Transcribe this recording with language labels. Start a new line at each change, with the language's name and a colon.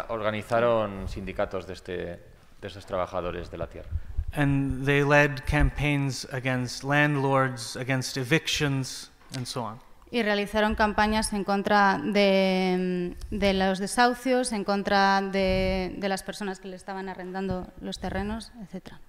Spanish: Organizaron sindicatos de estos trabajadores de la tierra.
English: And they led campaigns against landlords, against evictions, and so on.
Spanish: Y realizaron campañas en contra de los desahucios, en contra de las personas que le estaban arrendando los terrenos, etc.